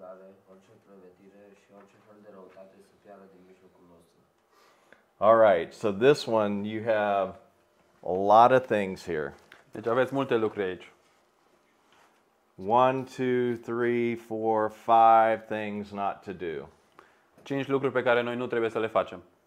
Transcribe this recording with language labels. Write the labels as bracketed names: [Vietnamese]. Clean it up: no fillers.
[Romanian] întâmplare, orice prevedire și orice fel de răutate să piară din mijlocul nostru. [English] All right, so this one you have a lot of things here. [Romanian] Deci aveți multe lucruri aici. [English] 1, 2, 3, 4, 5 things not to do. [Romanian] 5 lucruri pe care noi nu trebuie să le facem.